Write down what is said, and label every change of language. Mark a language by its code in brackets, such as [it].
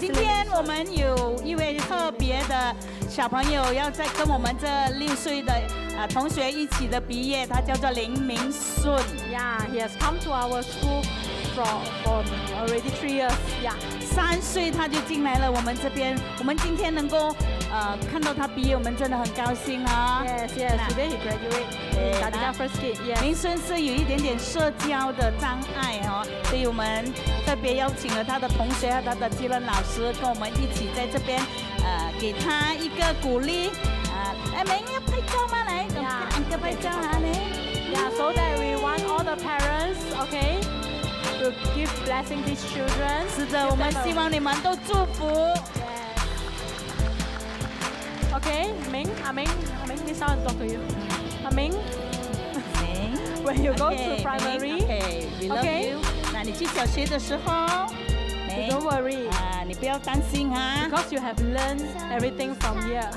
[zh] 今天我们有一位特别的小朋友要再跟我们这六岁的同学一起的毕业，他叫做林明顺。 [en] Yeah, he has come to our school from already 3 years. Yeah, [zh] 三岁他就进来了我们这边。我们今天能够看到他毕业，我们真的很高兴啊。 [en] Yes, yes. Today he graduated. Tadika first kid. Yes. [zh] 明顺是有一点点社交的障碍哦，所以我们特别邀请了他的同学和他的技能老师跟我们一起在这边给他一个鼓励。明要拍照吗？来，两个拍照啊，你。 [en] Yeah, so that we want all the parents, okay, to give blessing these children. [zh] 是的，我们希望你们都祝福。 [en] Okay, Ming, Aming, Aming, this one is talk to you. Aming, Ming, when you go to primary, okay, we love you. [zh] 那你去小学的时候 [en] Ming, don't worry. [zh] 你不要担心哈 [en] Because you have learned everything from here.